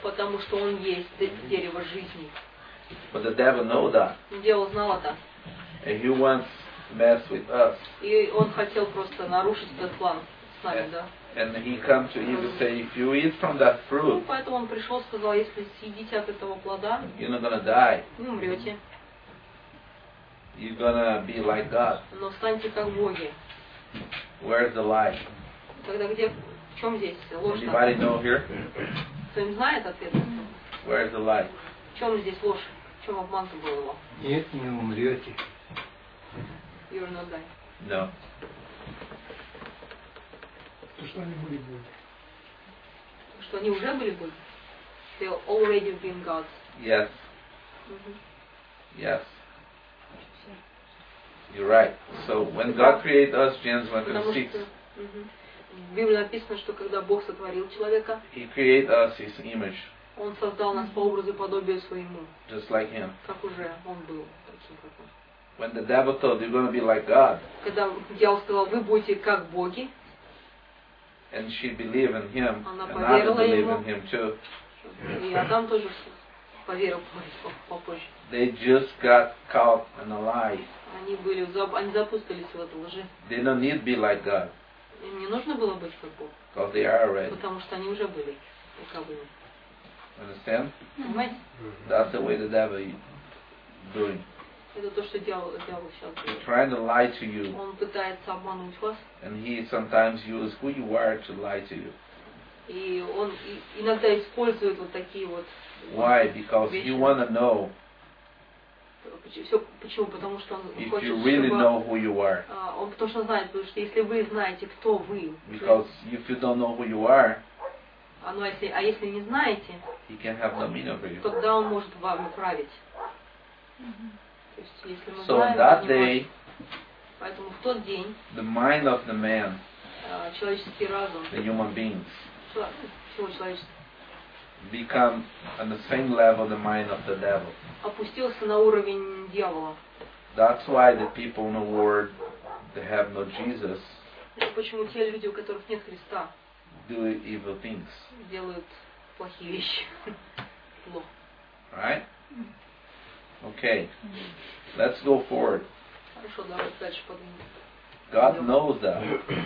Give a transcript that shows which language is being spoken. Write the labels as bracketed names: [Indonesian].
[Russian] Потому что он есть дерево жизни. [English] But the devil know that. [Russian] Дьявол знал это. [English] And he wants mess with us. [Russian] И он хотел просто нарушить этот план с нами, да. [English] And he come to him to say, if you eat from that fruit, [Russian] ну, поэтому он пришел, сказал, если съедите от этого плода, [English] you're not gonna die. [Russian] Вы умрете. [English] You're gonna be like God. [Russian] Но станьте как боги. [English] Where's the lie? [Russian] Тогда где, в чем здесь ложь? [English] Anybody know here? [Russian] Кто-нибудь знает ответ? [English] Where's the lie? [Russian] В чем здесь ложь? В чем обман-то был его? Нет, не умрете. [English] You're not dying. No. [Russian] Что они уже были Боги? [English] They already been gods. Yes. Mm-hmm. Yes. You're right. So when God created us, Genesis 1:26. [Russian] В Библии написано, что когда Бог сотворил человека, [English] He created us His image. [Russian] Он создал нас по образу и подобию своему. [English] Just like Him. [Russian] Как уже он был таким, как он. [English] When the devil told you're going to be like God. [Russian] Когда дьявол сказал, вы будете как Боги. [English] And she believed in him. [Russian] Она [English] and Adam believed in him too. [Russian] И Адам тоже поверил попозже. [English] They just got caught in a lie. [Russian] Они запустились в эту лжи. [English] They don't need to be like God. [Russian] Им не нужно было быть как Бог. [English] Because they are already. [Russian] Потому что они уже были. [English] Understand? [Russian] Понимаете? [English] That's the way the devil is doing. [Russian] Это то, что дьявол сейчас делает. [English] He's trying to lie to you. [Russian] Он пытается обмануть вас. [English] And he sometimes uses who you are to lie to you. [Russian] И он иногда использует вот такие вот. [English] Why? Because [Russian] вещи. [English] You want to know. [Russian] Все почему? Потому что он [English] if [Russian] хочет, [English] you really [Russian] чтобы, [English] know who you are. [Russian] Он потому что знает, потому что если вы знаете, кто вы. [English] Because то, if you don't know who you are. [Russian] А если не знаете. [English] He can have dominion over you. [Russian] Тогда он может вам управлять. [English] So on that day, [Russian] поэтому в тот день, [English] the mind of the man, [Russian] человеческий разум, [English] the human beings, [Russian] человеческий, [English] become on the same level the mind of the devil. [Russian] Опустился на уровень дьявола. [English] That's why the people in the world, they have no Jesus. [Russian] Почему те люди, у которых нет Христа, [English] do evil things? [Russian] Делают плохие вещи. Зло. [English] Right? Okay. Let's go forward. [Russian] Хорошо, давайте дальше подумаем. [English] God knows that.